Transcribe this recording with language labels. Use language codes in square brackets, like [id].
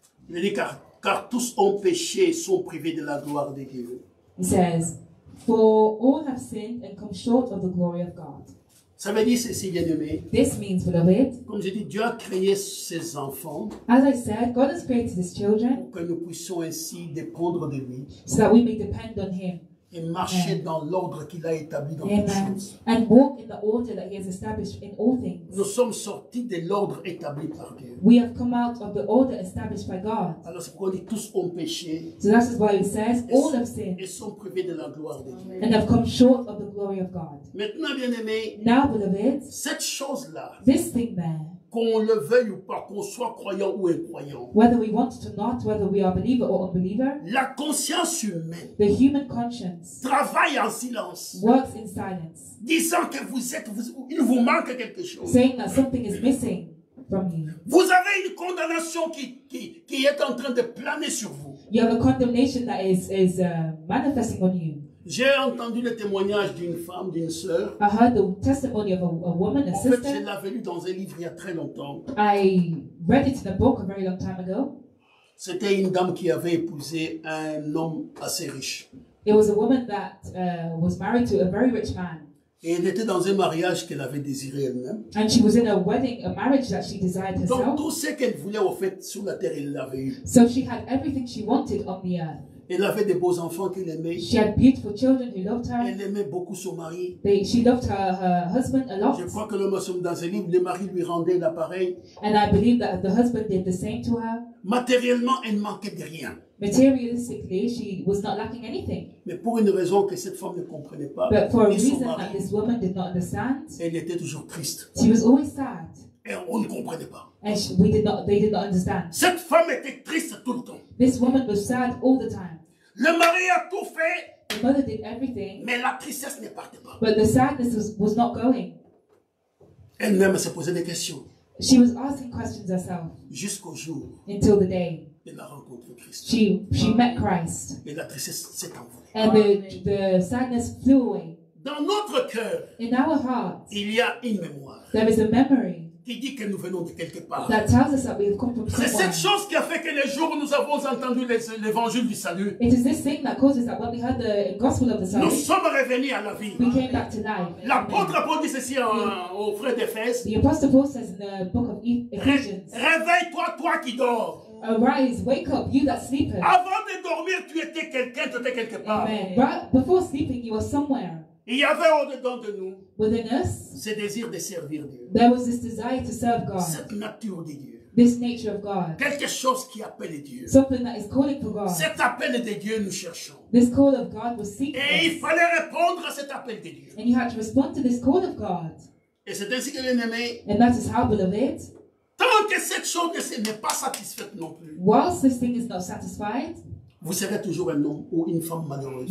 [fr] Il dit car tous ont péché et sont privés de la gloire de Dieu. [en] He says, for all have sinned and come short of the glory of God. [fr] Ça veut dire ceci, bien-aimé. [en] This means, beloved. [fr] Comme je dis, Dieu a créé ses enfants. [en] As I said, God has created his children. [fr] Pour que nous puissions ainsi dépendre de lui. [en] So that we may depend on him. [fr] Et marcher dans l'ordre qu'il a établi dans toutes choses. [en] And walk in the order that he has established in all things. [fr] Nous sommes sortis de l'ordre établi par Dieu. [en] We have come out of the order established by God. [fr] Alors c'est pourquoi on dit tous ont péché. [en] So that is why it says all have sinned. [fr] Et sont privés de la gloire de Dieu. [en] And have come short of the glory of God. [fr] Maintenant, bien aimé. [en] Now, beloved. [fr] Cette chose là. [en] This thing there. [fr] Qu'on le veuille ou pas, qu'on soit croyant ou incroyant. [en] Whether we want it or not, whether we are believer or unbeliever. [fr] La conscience humaine. [en] The human conscience. [fr] Travaille en silence. [en] Works in silence. [fr] Disant que vous êtes, il vous manque quelque chose. [en] Saying that something is missing from you. [fr] Vous avez une condamnation qui est en train de planer sur vous. [en] You have a condemnation that is manifesting on you. [fr] J'ai entendu le témoignage d'une femme, d'une sœur. [en] I heard the testimony of a woman, a sister. [fr] En fait, je l'avais lu dans un livre il y a très longtemps. [en] I read it in a book a very long time ago. [fr] C'était une dame qui avait épousé un homme assez riche. [en] It was a woman that was married to a very rich man. [fr] Et elle était dans un mariage qu'elle avait désiré elle-même. [en] And she was in a wedding, a marriage that she desired herself. [fr] Donc tout ce qu'elle voulait au fait sur la terre, elle l'avait eu. [en] So she had everything she wanted on the earth. [fr] Elle avait des beaux enfants qu'elle aimait. [en] She had beautiful children who loved her. [fr] Elle aimait beaucoup son mari. [en] She loved her husband a lot. [fr] Je crois que l'homme somme dans un livre, le mari lui rendait l'appareil. [en] And I believe that the husband did the same to her. [fr] Matériellement, elle ne manquait de rien. [en] Materialistically, she was not lacking anything. [fr] Mais pour une raison que cette femme ne comprenait pas. [en] But for a reason that this woman did not understand. [fr] Elle était toujours triste. [en] She was always sad. [fr] Et on ne comprenait pas. [en] And they did not understand. [fr] Cette femme était triste tout le temps. [en] This woman was sad all the time. [fr] Le mari a tout fait. [en] The mother did everything. [fr] Mais la tristesse ne partait pas. [en] But the sadness was not going. [fr] Elle-même se posait des questions. [en] She was asking questions herself. [fr] Jusqu'au jour. [en] Until the day. [fr] Elle a rencontré Christ. [en] She met Christ. [fr] Et la tristesse s'est envolée. [en] And the sadness flew away. [fr] Dans notre cœur. [en] In our hearts. [fr] Il y a une mémoire. [en] There is a memory. [fr] Qui dit que nous venons de quelque part. [en] That tells us that we have come from somewhere. [fr] C'est cette chose qui a fait que les jours où nous avons entendu l'évangile du salut. [en] It is this thing that causes that when we heard the gospel of the salvation. [fr] Nous sommes revenus à la vie. [en] We came back to life. [fr] L'apôtre Paul dit ceci au frère d'Éphèse. [en] The apostle Paul says in the book of Ephesians. [fr] Réveille-toi, toi qui dors. [en] Arise, wake up, you that sleepeth. [fr] Avant de dormir, tu étais quelqu'un, tu étais quelque part. [en] Amen. But before sleeping, you were somewhere. [fr] Il y avait au-dedans de nous [en] within us, [fr] ce désir de servir Dieu. [en] There was this desire to serve God. [fr] Cette nature de Dieu. [en] This nature of God. [fr] Quelque chose qui appelle Dieu. [en] Something that is calling for God. [fr] Cet appel de Dieu nous cherchons. [en] This call of God was seeking. [fr] Et il fallait répondre à cet appel de Dieu. [en] And you had to respond to this call of God. [fr] Et c'est ainsi que l'ennemi. [en] And that is how, beloved. [fr] Tant que cette chose n'est pas satisfaite non plus. [en] Whilst this thing is not satisfied. [fr] Vous serez toujours un homme ou une femme malheureuse.